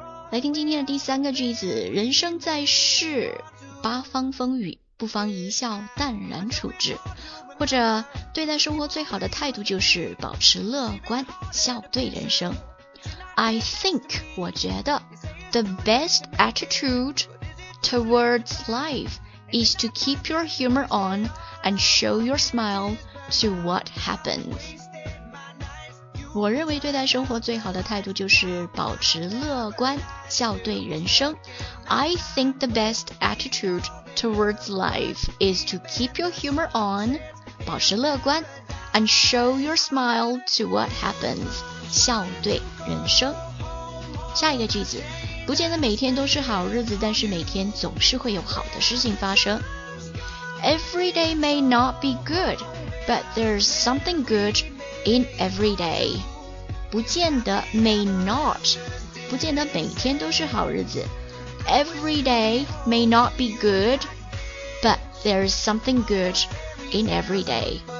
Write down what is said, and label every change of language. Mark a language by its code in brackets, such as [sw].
[zh] 来听今天的第三个句子，人生在世，八方风雨，不妨一笑淡然处之，或者对待生活最好的态度就是保持乐观，笑对人生。 [en] I think, [zh] 我觉得 [en] The best attitude towards life is to keep your humor on and show your smile to what happens. [zh] 我认为对待生活最好的态度就是保持乐观，笑对人生。 [en] I think the best attitudeTowards life is to keep your humor on, [zh] 保持乐观 [en] and show your smile to what happens, [zh] 笑对人生。下一个句子，不见得每天都是好日子，但是每天总是会有好的事情发生。 [en] Every day may not be good, but there's something good in every day. [zh] 不见得 [en] may not, [zh] 不见得每天都是好日子。 [en] Every day may not be good, but there is something good in every day.